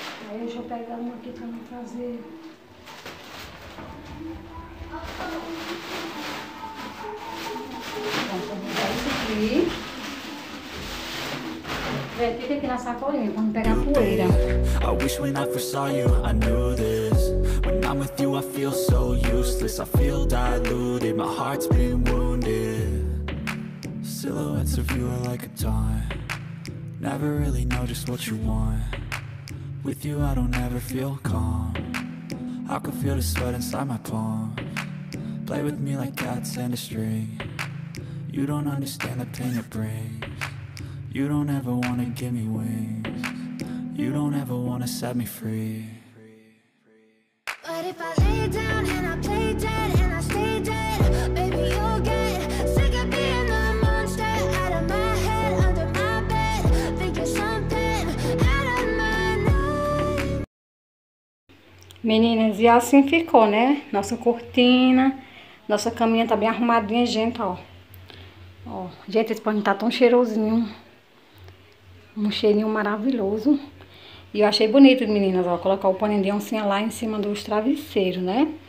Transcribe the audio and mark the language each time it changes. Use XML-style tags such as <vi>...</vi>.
<pt>Aí eu já pego uma aqui pra não fazer. Então, vou pegar isso aqui.</pt> <en>I wish when I first saw you, I knew this. When I'm with you, I feel so useless. I feel diluted, my heart's been wounded. Silhouettes of you are like a taunt. Never really know just what you want. With you, I don't ever feel calm. I can feel the sweat inside my palm. Play with me like cats and a string. You don't understand the pain it brings. You don't ever wanna give me wings. You don't ever wanna set me free. But if I lay down and I play dead and I stay dead, baby, you'll get sick of being the monster. Out of my head, under my bed, think you're something out of my nightmare.</en> <pt>Meninas, e assim ficou, né? Nossa cortina, nossa caminha tá bem arrumadinha, gente, ó. Ó, gente, esse pano tá tão cheirosinho. Um cheirinho maravilhoso. E eu achei bonito, meninas, ó. Colocar o paninho de oncinha lá em cima dos travesseiros, né?</pt>